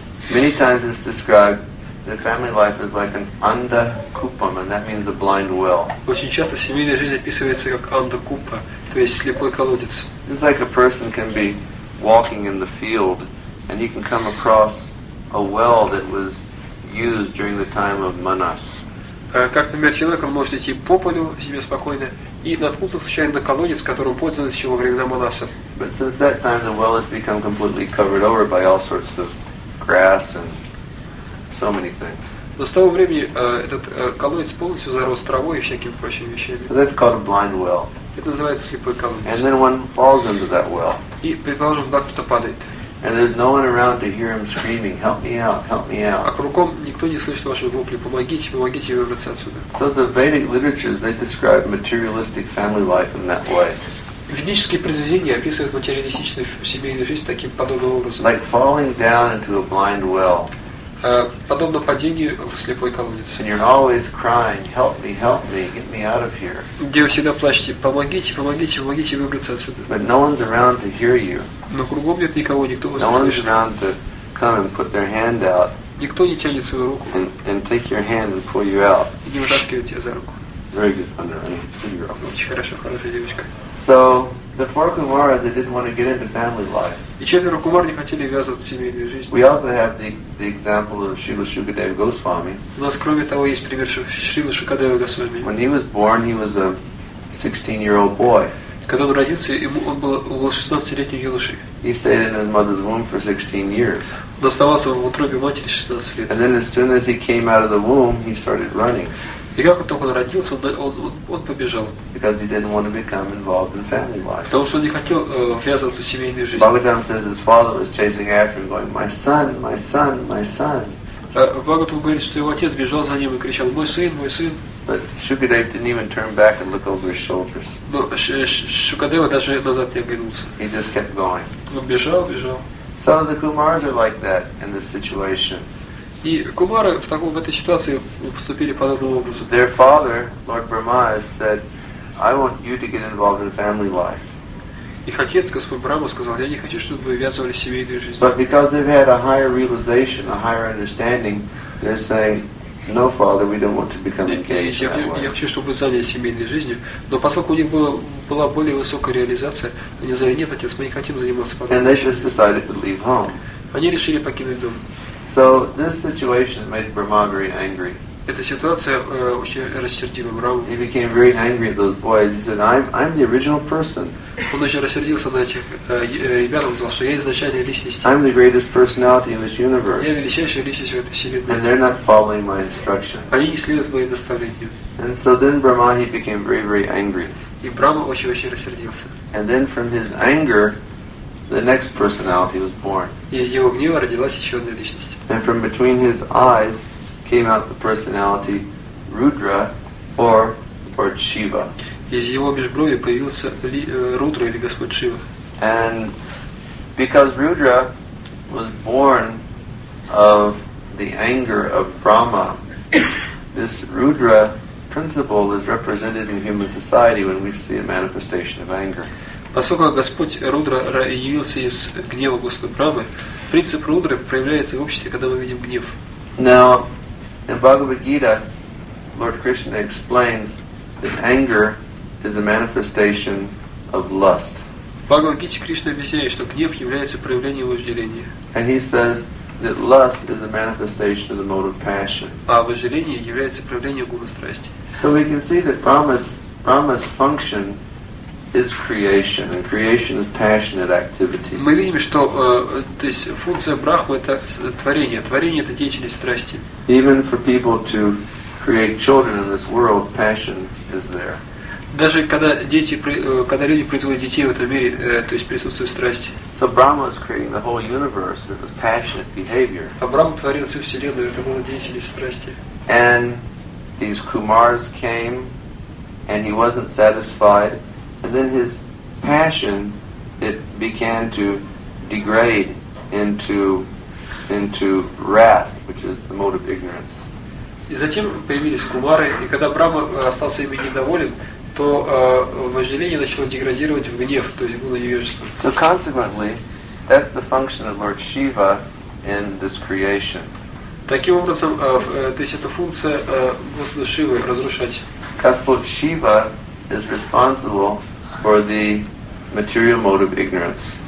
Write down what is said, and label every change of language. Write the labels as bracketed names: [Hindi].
[English] Many times it's described that family life is like an andakupam, and that means a blind well. [Russian] Очень часто семейная жизнь описывается как андакупа, то есть слепой колодец. [English] It's like a person can be walking in the field, and he can come across a well that was used during the time of Manas. [Russian] Как, например, человек, он может идти по полю себе спокойно и наткнуться случайно на колодец, которым пользовались еще во времена Манаса. [English] But since that time, the well has become completely covered over by all sorts of grass and so many things. [Russian] Но с того времени этот колодец полностью зарос травой и всякими прочими вещами. [English] So that's called a blind well. [Russian] Это называется слепой колодец. [English] And then one falls into that well. [Russian] И, предположим, да, кто-то падает. [English] And there's no one around to hear him screaming, "Help me out! Help me out!" [Russian] А кругом никто не слышит ваши вопли, помогите, помогите выбраться отсюда. [English] So the Vedic literatures, they describe materialistic family life in that way. [Russian] Ведические произведения описывают материалистичную семейную жизнь таким подобным образом. [English] Like falling down into a blind well. [Russian] Подобно падению в слепой колодец. [English] And you're always crying, help me, get me out of here. [Russian] Где вы всегда плачете, помогите, помогите, помогите выбраться отсюда. [English] But no one's around to hear you. [Russian] Но кругом нет никого, никто вас [English] no [Russian] не слышит. [English] No one's around to come and put their hand out. [Russian] Никто не тянет свою руку. [English] And take your hand and pull you out. [Russian] И не вытаскивает тебя за руку. [English] Very good, Govindarayan. [Russian] Очень хорошо, хорошая девочка. [English] So, the four Kumaras, they didn't want to get into family life. [Russian] И четверо кумар не хотели ввязываться в семейную жизнь. [English] We also have the example of Srila Shukadeva Goswami. [Russian] У нас, кроме того, есть пример Шрилы Шукадевы Госвами. [English] When he was born, he was a 16-year-old boy. [Russian] Когда он родился, он был 16-летним юношей. [English] He stayed in his mother's womb for 16 years. [Russian] Он оставался в утробе матери 16 лет. [English] And then as soon as he came out of the womb, he started running. [Russian] И как только он родился, он побежал. [English] Because he didn't want to become involved in family life. [Russian] Потому что он не хотел ввязываться в семейную жизнь. [English] Bhagavatam says his father was chasing after him, going, "My son, my son, my son." [Russian] Bhagavatam говорит, что его отец бежал за ним и кричал, "Мой сын, мой сын." [English] But Shukadev didn't even turn back and look over his shoulders. [Russian] Но Шукадева даже назад не оглянулся. [English] He just kept going. [Russian] Он бежал, бежал. [English] So the Kumaras are like that in this situation. [Russian] И кумары в этой ситуации поступили подобным образом. [English] Their father, Lord Brahma, said, "I want you to get involved in family life." [Russian] Их отец, Господь Брахма, сказал, "Я не хочу, чтобы вы ввязывались в семейную жизнь." [English] But because they've had a higher realization, a higher understanding, they're saying, "No, father, we don't want to become engaged in that way." [Russian] Я хочу, чтобы вы занялись семейной жизнью, но поскольку у них была более высокая реализация, они сказали, "Нет, отец, мы не хотим заниматься подобным." [English] And they just decided to leave home. [Russian] Они решили покинуть дом. [English] So this situation made Brahma very angry. [Russian] Эта ситуация очень рассердила Брахму. [English] He became very angry at those boys. He said, "I'm the original person." [Russian] Он очень рассердился на этих ребят, он сказал, что я изначальная личность. [English] I'm the greatest personality in this universe. [Russian] Я величайшая личность в этой вселенной. [English] And they're not following my instructions. [Russian] Они не следуют моим наставлениям. [English] And so then Brahma, he became very, very angry. [Russian] И Брама очень-очень рассердился. [English] And then from his anger, the next personality was born. [Russian] Из его гнева родилась еще одна личность. [English] And from between his eyes came out the personality Rudra or Lord Shiva. [Russian] Из его межброви появился Рудра или Господь Шива. [English] And because Rudra was born of the anger of Brahma, this Rudra principle is represented in human society when we see a manifestation of anger. [Russian] Поскольку Господь Рудра явился из гнева Господа Брамы, принцип Рудры проявляется в обществе, когда мы видим гнев. [English] Now, in Bhagavad Gita, Lord Krishna explains that anger is a manifestation of lust. [Russian] В Бхагавад Гите Кришна объясняет, что гнев является проявлением вожделения. [English] And he says that lust is a manifestation of the mode of passion. [Russian] А вожделение является проявлением гуна страсти. [English] So we can see that Brahma's function is creation, and creation is passionate activity. [Russian] Мы видим, что то есть функция Брахмы — это творение. Творение — это деятельность страсти. [English] Even for people to create children in this world, passion is there. [Russian] Даже когда дети, когда люди производят детей в этом мире, то есть присутствует страсть. [English] So Brahma is creating the whole universe. It was passionate behavior. [Russian] А Брахма творил всю вселенную, это была деятельность страсти. [English] And these Kumars came, and he wasn't satisfied. And then his passion, it began to degrade into wrath, which is the mode of ignorance. [Russian] И затем появились кумары, и когда Брама остался ими недоволен, то вожделение начало деградировать в гнев, то есть было невежество. [English] So consequently, that's the function of Lord Shiva in this creation. [Russian] Таким образом, то есть это функция Господа Шивы разрушать. [English] Господь Шива is responsible for the material mode of ignorance.